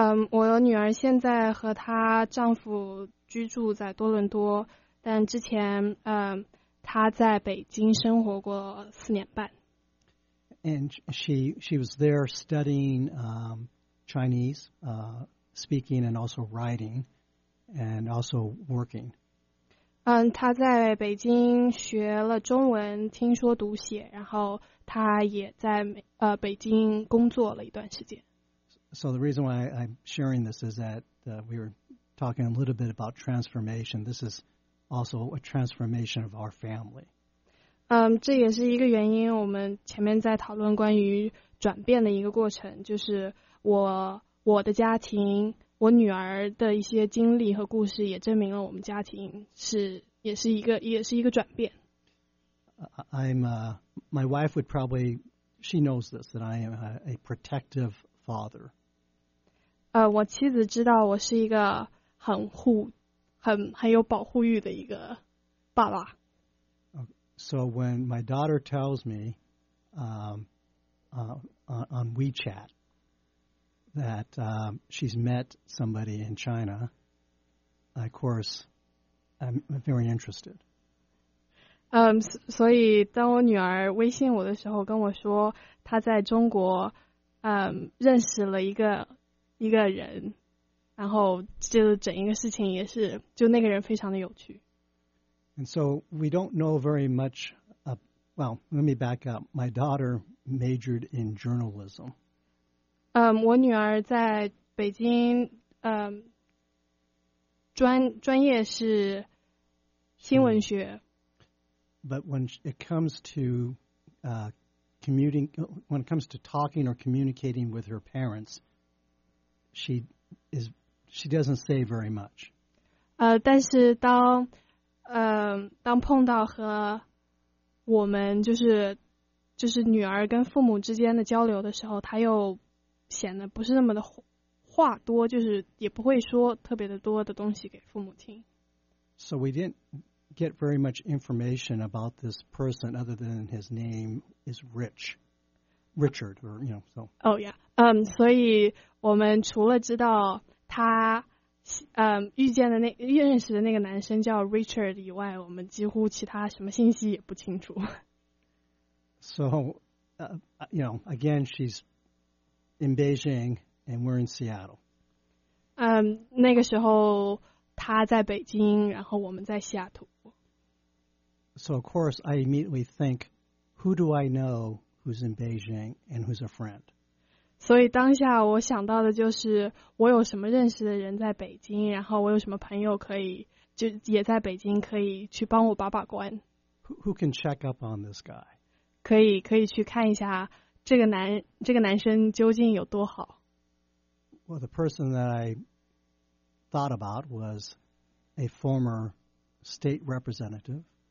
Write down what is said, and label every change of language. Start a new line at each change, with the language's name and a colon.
Chinese: 我女儿现在和她丈夫居住在多伦多，但之前她在北京生活过4.5年。
English: And she was there studying Chinese, speaking and also writing, and also working.
Chinese: 她在北京学了中文，听说读写，然后她也在北京工作了一段时间。
English: So the reason why I'm sharing this is that we were talking a little bit about transformation. This is also a transformation of our family.
Chinese: 这也是一个原因，我们前面在讨论关于转变的一个过程，就是我的家庭，我女儿的一些经历和故事也证明了我们家庭也是一个转变。
English: My wife would probably, she knows this, that I am a protective father.
Chinese: 我妻子知道我是一个很有保护欲的一个爸爸。
English: So when my daughter tells me on WeChat that she's met somebody in China, of course, I'm very interested.
Chinese: 所以当我女儿微信我的时候跟我说她在中国认识了一个人，然后这整一个事情也是就那个人非常的有趣。
English: And so we don't know very much. Let me back up. My daughter majored in journalism.
Chinese: 我女儿在北京专业是新闻学。
English: But when it comes to when it comes to talking or communicating with her parents, she doesn't say very much.
Chinese: 但是当碰到和我们就是女儿跟父母之间的交流的时候，她又显得不是那么的话多，就是也不会说特别的多的东西给父母听。
English: So we didn't get very much information about this person other than his name is Richard, or you know, so. Oh yeah,
Chinese: 所以我们除了知道他。认识的那个男生叫 Richard 以外，我们几乎其他什么信息也不清楚。
English: So, you know, again, she's in Beijing and we're in Seattle.
Chinese: 那个时候他在北京，然后我们在西雅图。
English: So, of course, I immediately think, who do I know who's in Beijing and who's a friend?
Chinese: 所以当下我想到的就是我有什么认识的人在北京，然后我有什么朋友可以就也在北京可以去帮我把关。
English: Who can check up on this guy?
Chinese: 可以去看一下这个男生究竟有多好。
English: Well, the person that I thought about was a former state representative.